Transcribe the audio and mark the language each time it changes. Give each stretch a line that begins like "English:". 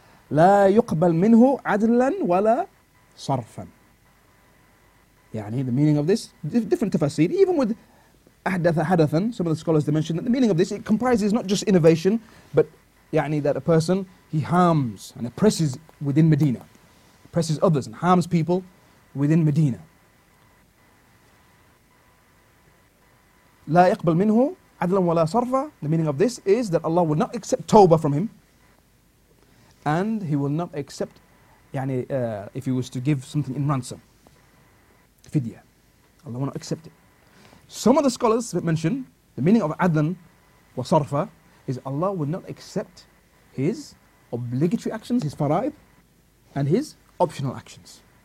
Arabic: لا يقبل منه عدلا ولا صرفا. يعني
English: the meaning of this, different tafsir, even with
Arabic: ahdatha hadathan,
English: some of the scholars mentioned that the meaning of this, it comprises not just innovation, but يعني that a person, he harms and oppresses within Medina, oppresses others and harms people within Medina.
Arabic: لا يقبل منه عدلا ولا صرفا.
English: The meaning of this is that Allah will not accept tawbah from him, and he will not accept, يعني if he was to give something in ransom, fidya, Allah will not accept it. Some of the scholars mention the meaning of
Arabic: adlan wa sarfa
English: is Allah will not accept his obligatory actions, his faraib, and his optional actions.